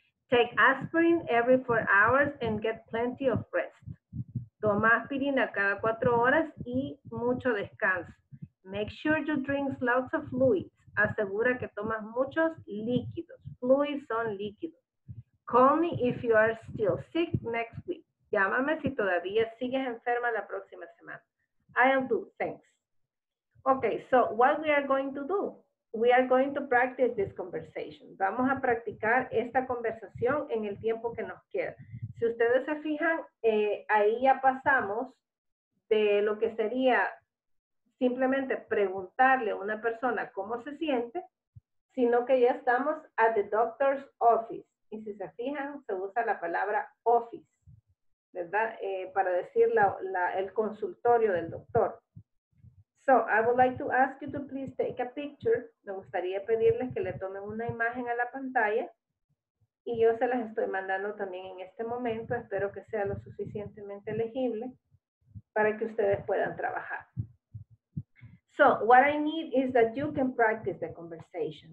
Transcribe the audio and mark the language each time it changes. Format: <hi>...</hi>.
<en>Take aspirin every 4 hours and get plenty of rest.</en> <es>Toma aspirina cada 4 horas y mucho descanso.</es> <en>Make sure you drink lots of fluids.</en> <es>Asegura que tomas muchos líquidos. Fluids son líquidos.</es> <en>Call me if you are still sick next week.</en> <es>Llámame si todavía sigues enferma la próxima semana.</es> <en>I'll do, thanks. Okay, so what we are going to do? We are going to practice this conversation.</en> <es>Vamos a practicar esta conversación en el tiempo que nos queda. Si ustedes se fijan, ahí ya pasamos de lo que sería simplemente preguntarle a una persona cómo se siente, sino que ya estamos</es> <en>at the doctor's office.</en> <es>Y si se fijan, se usa la palabra office, ¿verdad? Para decir el consultorio del doctor.</es> <en>So, I would like to ask you to please take a picture.</en> <es>Me gustaría pedirles que le tomen una imagen a la pantalla. Y yo se las estoy mandando también en este momento. Espero que sea lo suficientemente legible para que ustedes puedan trabajar.</es> <en>So, what I need is that you can practice the conversation.</en>